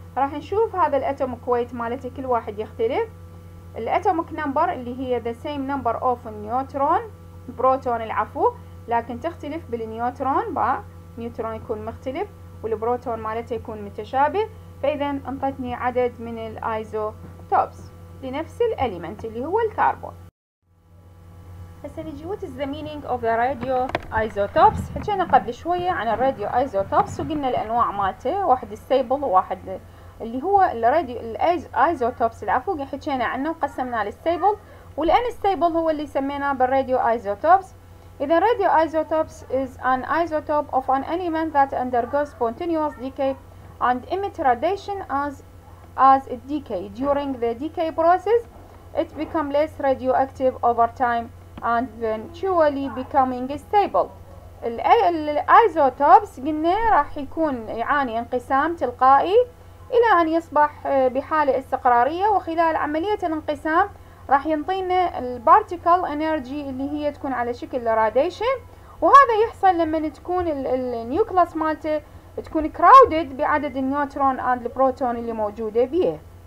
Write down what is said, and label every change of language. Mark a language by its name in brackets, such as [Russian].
[Arabic] راح نشوف هذا الاتوم كويت مالته، كل واحد يختلف. الاتوميك نمبر اللي هي [English] the same number of [Arabic] نيوترون بروتون العفو، لكن تختلف بالنيوترون، باع نيوترون يكون مختلف والبروتون مالته يكون متشابه. فاذا انطتني عدد من الايزوتوبس لنفس الاليمنت اللي هو الكربون. هسه نجي [English] what is the meaning of the radio isotopes. [Arabic] حكينا قبل شوية عن الراديو ايزوتوبس وقلنا الانواع مالته، واحد stable وواحد اللي هو الراديو الايزوتوبس العفو، حكينا عنه وقسمنا على stable والان stable هو اللي سميناه بالراديو ايزوتوبس. [English] إذا radio isotopes is an isotope of an element that undergoes spontaneous decay and emit radiation as it decay. During the decay process it becomes less radioactive over time and eventually becoming stable. [Arabic] الايزوتوبس قلنا راح يكون يعاني انقسام تلقائي الى ان يصبح بحالة استقرارية، وخلال عملية الانقسام راح ينطينا البارتيكل انرجي اللي هي تكون على شكل راديشن، وهذا يحصل لما تكون النيوكلاس مالته تكون كراودد بعدد النيوترون اند البروتون اللي موجوده بيه.